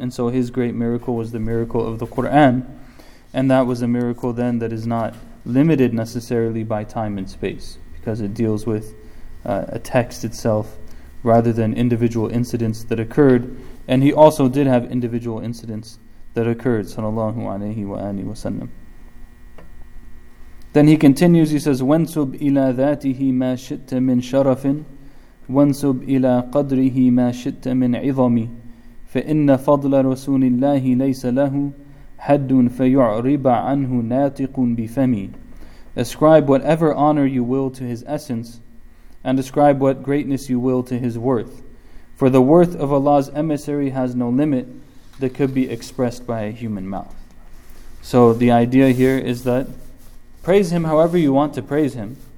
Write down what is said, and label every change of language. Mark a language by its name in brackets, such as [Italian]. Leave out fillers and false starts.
[English] And so his great miracle was the miracle of the Quran. And that was a miracle then that is not limited necessarily by time and space, because it deals with a text itself rather than individual incidents that occurred. And he also did have individual incidents that occurred, sallallahu alayhi wa alihi wa sallam. Then he continues, he says, [Arabic] وَنْسُبْ إِلَىٰ ذَاتِهِ مَا شِئْتَ مِنْ شَرَفٍ وَنْسُبْ إِلَىٰ قَدْرِهِ مَا شِئْتَ مِنْ عِظَمِ فَإِنَّ فَضْلَ رَسُولِ اللَّهِ لَيْسَ لَهُ حَدٌ فَيُعْرِبَ عَنْهُ نَاطِقٌ بِفَمِ. [English] Ascribe whatever honor you will to his essence, and ascribe what greatness you will to his worth. For the worth of Allah's emissary has no limit that could be expressed by a human mouth. So the idea here is that praise him however you want to praise him.